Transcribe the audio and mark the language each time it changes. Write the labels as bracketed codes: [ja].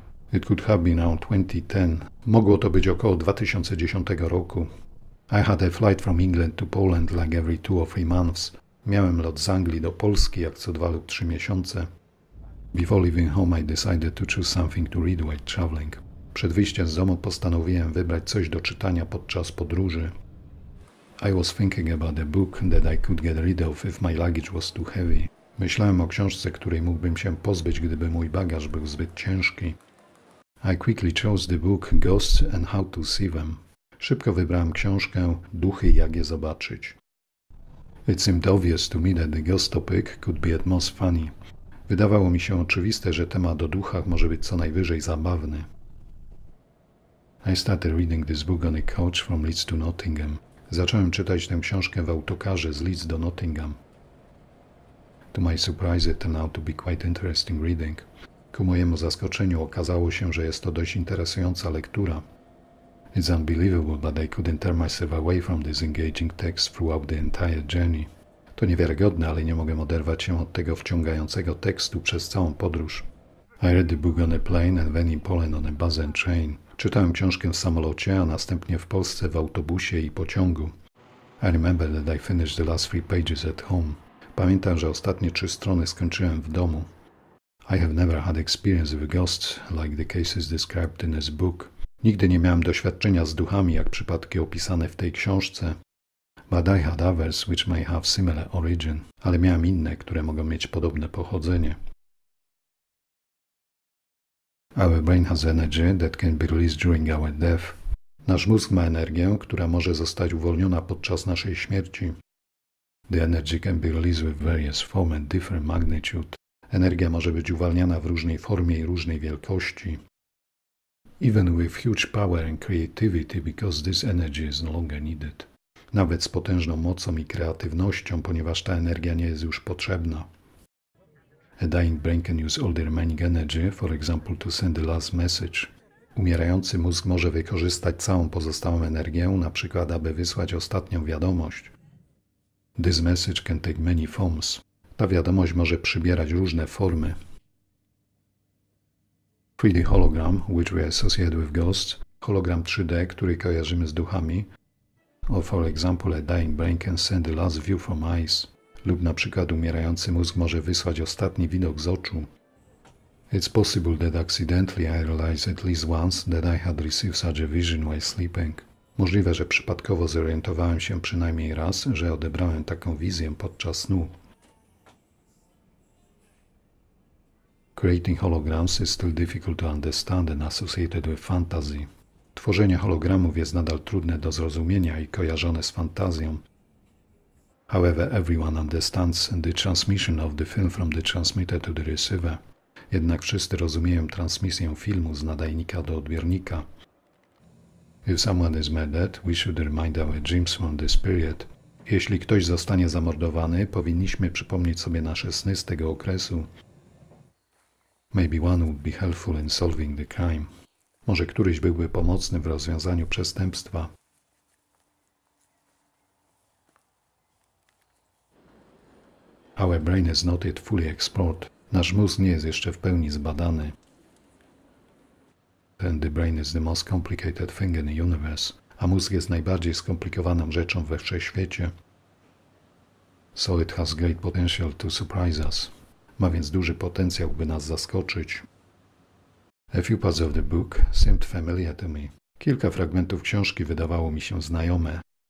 [en] It could have been around 2010. [pl] Mogło to być około 2010 roku. [en] I had a flight from England to Poland like every 2 or 3 months. [pl] Miałem lot z Anglii do Polski jak co 2 lub 3 miesiące. [en] Before leaving home I decided to choose something to read while traveling. [pl] Przed wyjściem z domu postanowiłem wybrać coś do czytania podczas podróży. [en] I was thinking about a book that I could get rid of if my luggage was too heavy. [pl] Myślałem o książce, której mógłbym się pozbyć, gdyby mój bagaż był zbyt ciężki. [en] I quickly chose the book Ghosts and How to See Them. [pl] Szybko wybrałem książkę Duchy i jak je zobaczyć. [en] It seemed obvious to me that the ghost topic could be at most funny. [pl] Wydawało mi się oczywiste, że temat o duchach może być co najwyżej zabawny. [en] I started reading this book on a coach from Leeds to Nottingham. [pl] Zacząłem czytać tę książkę w autokarze z Leeds do Nottingham. [en] To my surprise, it turned out to be quite interesting reading. [pl] Ku mojemu zaskoczeniu okazało się, że jest to dość interesująca lektura. [en] It's unbelievable, but I couldn't turn myself away from this engaging text throughout the entire journey. [pl] To niewiarygodne, ale nie mogę oderwać się od tego wciągającego tekstu przez całą podróż. [en] I read the book on a plane and then in Poland on a bus and train. [pl] Czytałem książkę w samolocie, a następnie w Polsce w autobusie i pociągu. [en] I remember that I finished the last 3 pages at home. [pl] Pamiętam, że ostatnie 3 strony skończyłem w domu. [en] I have never had experience with ghosts like the cases described in this book. [pl] Nigdy nie miałem doświadczenia z duchami, jak przypadki opisane w tej książce. [en] But I had others which may have similar origin. [pl] Ale miałem inne, które mogą mieć podobne pochodzenie. [en] Our brain has energy that can be released during our death. [pl] Nasz mózg ma energię, która może zostać uwolniona podczas naszej śmierci. [en] The energy can be released with various forms and different magnitude. [pl] Energia może być uwalniana w różnej formie i różnej wielkości. [en] Even with huge power and creativity, because this energy is no longer needed. [pl] Nawet z potężną mocą i kreatywnością, ponieważ ta energia nie jest już potrzebna. [en] A dying brain can use all the remaining energy, for example, to send the last message. [pl] Umierający mózg może wykorzystać całą pozostałą energię, na przykład, aby wysłać ostatnią wiadomość. [en] This message can take many forms. [pl] Ta wiadomość może przybierać różne formy. [en] 3D hologram, which we associate with ghosts. [pl] Hologram 3D, który kojarzymy z duchami. [en] Or for example, a dying brain can send the last view from eyes. [pl] Lub na przykład umierający mózg może wysłać ostatni widok z oczu. [en] It's possible that accidentally I realized at least once that I had received such a vision while sleeping. [pl] Możliwe, że przypadkowo zorientowałem się przynajmniej raz, że odebrałem taką wizję podczas snu. [en] Creating holograms is still difficult to understand and associated with fantasy. [pl] Tworzenie hologramów jest nadal trudne do zrozumienia i kojarzone z fantazją. [en] However, everyone understands the transmission of the film from the transmitter to the receiver. [pl] Jednak wszyscy rozumieją transmisję filmu z nadajnika do odbiornika. [en] If someone is murdered, we should remind our dreams from this period. [pl] Jeśli ktoś zostanie zamordowany, powinniśmy przypomnieć sobie nasze sny z tego okresu. [en] Maybe one would be helpful in solving the crime. [pl] Może któryś byłby pomocny w rozwiązaniu przestępstwa. [en] Our brain is not yet fully explored. [pl] Nasz mózg nie jest jeszcze w pełni zbadany. [en] And the brain is the most complicated thing in the universe. [pl] A mózg jest najbardziej skomplikowaną rzeczą we wszechświecie. [en] So it has great potential to surprise us. [pl] Ma więc duży potencjał, by nas zaskoczyć. [en] A few parts of the book seemed familiar to me. [pl] Kilka fragmentów książki wydawało mi się znajome.